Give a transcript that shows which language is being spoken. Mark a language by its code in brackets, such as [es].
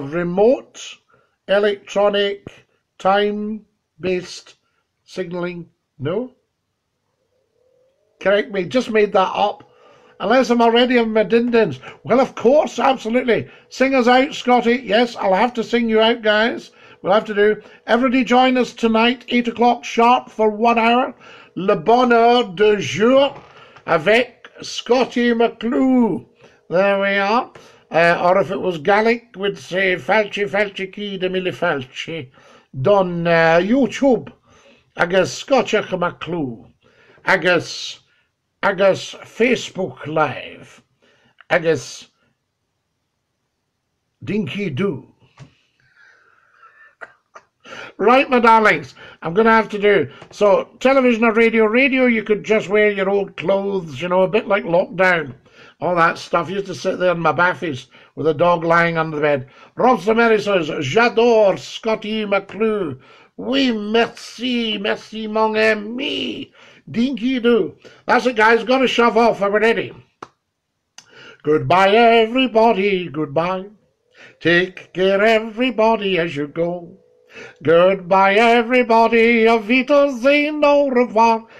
[en] Remote electronic time-based signalling, no? Correct me, just made that up. Unless I'm already in my din-dins. Well, of course, absolutely. Sing us out, Scotty. Yes, I'll have to sing you out, guys. We'll have to do. Everybody join us tonight, 8 o'clock sharp for 1 hour. [fr] Le bonheur du jour avec Scotty McClue. [en] There we are. Or if it was Gaelic, we'd say Falchi Falchi Key de Mille Falchi. Don YouTube. Agus Scotty McClue, agus Facebook Live, agus Dinky Doo. Right, my darlings, I'm going to have to do. So, television or radio? Radio, you could just wear your old clothes, you know, a bit like lockdown. All that stuff. I used to sit there in my baffies with a dog lying under the bed. Rob Samery says, [fr] j'adore [en] Scotty McClue. [fr] Oui, merci, merci mon ami. [en] Dinky doo. That's it, guys. Gotta shove off. Are we ready? Goodbye, everybody. Goodbye. Take care, everybody, as you go. Goodbye, everybody. [fr] Au revoir, zain, au revoir.